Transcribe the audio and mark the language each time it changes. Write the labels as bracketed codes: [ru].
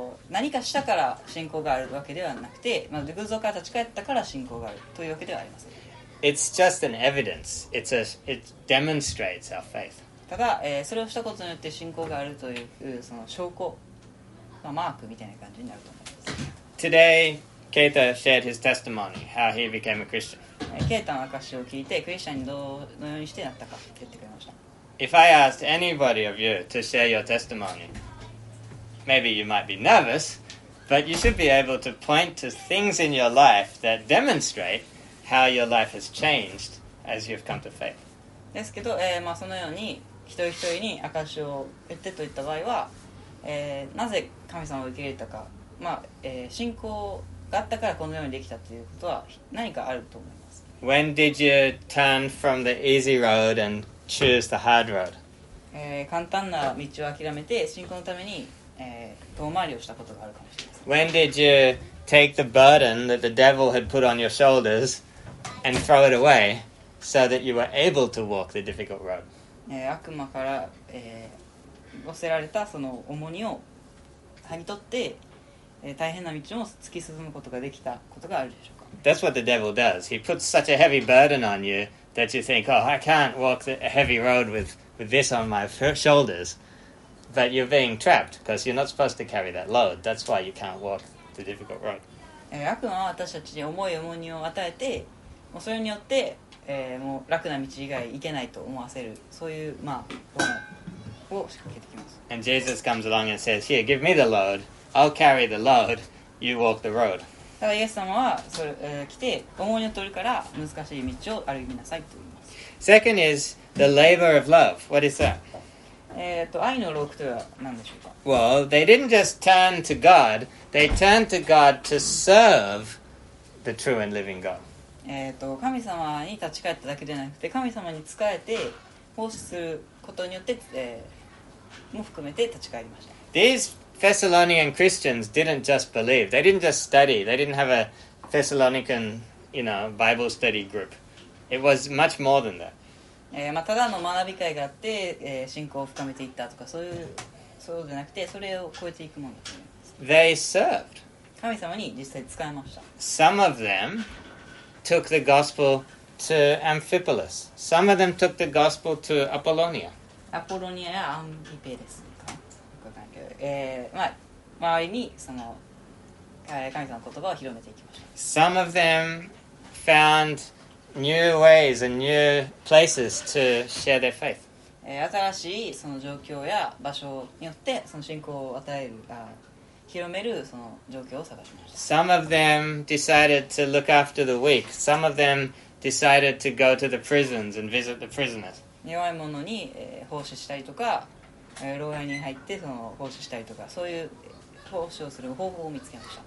[ja] 何かしたから信仰があるわけではなくて、まあ、偶像から立ち返ったから信仰があるというわけではありません [en] It's just an evidence It demonstrates our faith [ja] ただ、それをしたことによって信仰があるというその証拠、まあ、マークみたいな感じになると思います。 [en] Today, Keita shared his testimony, how he became a Christian. [ja] Keita の証を聞いて、クリスチャンにどのようにしてなったかって言ってくれました。 [en] If I asked anybody of you to share your testimony, maybe you might be nervous, but you should be able to point to things in your life that demonstrate how your life has changed as you've come to faith. [ja] ですけど、まあ、そのように一人一人に証しを言ってといった場合は、なぜ神様を受け入れたか、まあ信仰があったからこのようにできたということは何かあると思います。 [en] When did you turn from the easy road and choose the hard road? [ja] 簡単な道を諦めて信仰のために、遠回りをしたことがあるかもしれません。 [en] When did you take the burden that the devil had put on your shoulders and throw it away? So that you were able to walk the difficult road. [ja] 悪魔から、寄せられたその重荷を剥ぎ取って、大変な道を突き進むことができたことがあるでしょうか? [en] That's what the devil does. He puts such a heavy burden on you that you think, oh, I can't walk a heavy road with with this on my shoulders, but you're being trapped because you're not supposed to carry that load. That's why you can't walk the difficult road. [ja] 悪魔は私たちに重い重荷を与えて、もうそれによって、もう楽な道以外行けないと思わせる、そういう、まあ、罠を仕掛けてきます。 [en] And Jesus comes along and says, here, give me the load. I'll carry the load. You walk the road. [ja] だからイエス様はそれ、来て、重荷を取るから難しい道を歩みなさいと言います。 [en] Second is the labor of love. What is that? [ja] 愛の労苦とは何でしょうか? [en] Well, they didn't just turn to God. They turn to God to serve the true and living God. [ja] 神様に立ち返っただけでなくて、神様に仕えて奉仕することによって、も含めて立ち返りました。 [en] These Thessalonian Christians didn't just believe. They didn't just study. They didn't have a Thessalonican, you know, Bible study group. It was much more than that. [ja] まあ、ただの学び会があって、信仰を深めていったとか、そういう、そうじゃなくて、それを超えていくものだと思います。 [en] They served. [ja] 神様に実際に使いました。 [en] Some of them took the gospel to Amphipolis. Some of them took the gospel to Apollonia. [ja] アポロニアやアンフィペですか?わかんないけど、まあ、周りにその、神様の言葉を広めていきました。 [en] Some of them found new ways and new places to share their faith. [ja] 新しいその状況や場所によってその信仰を与える、広めるその状況を探しました。 [en] Some of them decided to look after the weak. Some of them decided to go to the prisons and visit the prisoners. [ja] 弱い者に、奉仕したりとか、牢屋に入ってその奉仕したりとか、そういう奉仕をする方法を見つけました。